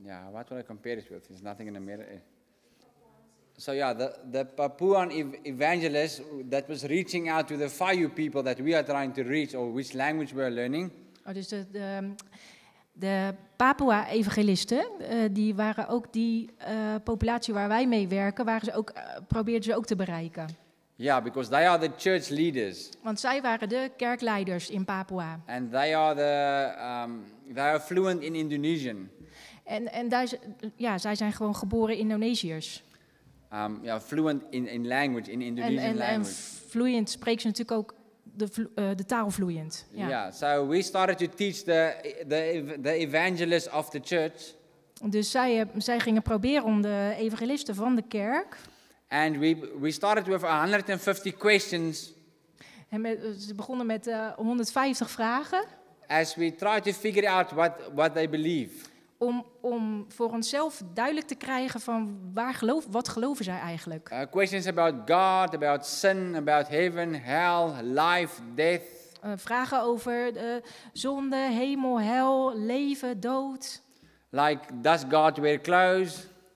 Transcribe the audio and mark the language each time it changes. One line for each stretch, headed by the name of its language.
English: What will I compare it with? There's nothing in America. So yeah, the Papuan evangelist that was reaching out to the Fayu people that we are trying to reach, or which language we are learning.
Dutch: Oh, dus de Papua evangelisten, die waren ook die populatie waar wij mee werken, probeerden ze ook te bereiken.
English: Yeah, because they are the church leaders.
Dutch: Want zij waren de kerkleiders in Papua.
English: And they are the they are fluent in Indonesian.
Dutch: En daar, ja, zij zijn gewoon geboren Indonesiërs.
English: Yeah, fluent in language, in Indonesian language.
Dutch: En vloeiend spreekt ze natuurlijk ook de taal vloeiend. Ja.
English: Yeah, so we started to teach the evangelists of the church.
Dutch: Dus zij gingen proberen om de evangelisten van de kerk.
English: And we started with 150 questions.
Dutch: En ze begonnen met 150 vragen.
English: As we tried to figure out what they believe.
Dutch: Om voor onszelf duidelijk te krijgen van wat geloven zij eigenlijk?
English: Questions about God, about sin, about heaven, hell, life, death.
Dutch: Vragen over zonde, hemel, hel, leven, dood.
English: Like, does God wear clothes?